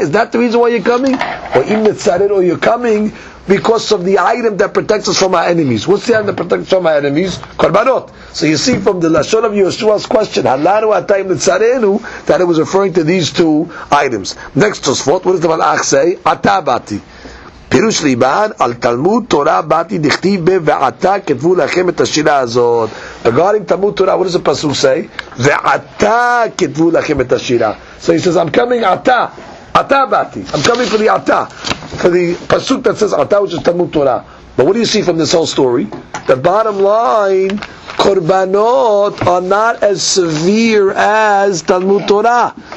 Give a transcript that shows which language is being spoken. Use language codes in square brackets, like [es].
[en] Is that the reason why you're coming? Or [he] im letzarenu, [en] are you coming because of the item that protects us from our enemies? What's the item that protects us from our enemies? Korbanot. So you see from the lashon of Yeshua's question, [he] halanu ata im letzarenu, [en] that it was referring to these two items. Next to Sfot, what does the Malach say? [he] Ata bati. פירוש ליבן על תלמוד תורה באתי דכתיב בה ועתה כתבו לכם את השירה הזאת. [en] Regarding תלמוד תורה, what does the pasuk say? [he] ועתה כתבו לכם את השירה. [en] So he says, I'm coming עתה. [he] עתה באתי. [en] I'm coming for the עתה. For the pasuk that says עתה, which is תלמוד תורה. But what do you see from this whole story? The bottom line, korbanot are not as severe as Talmud Torah.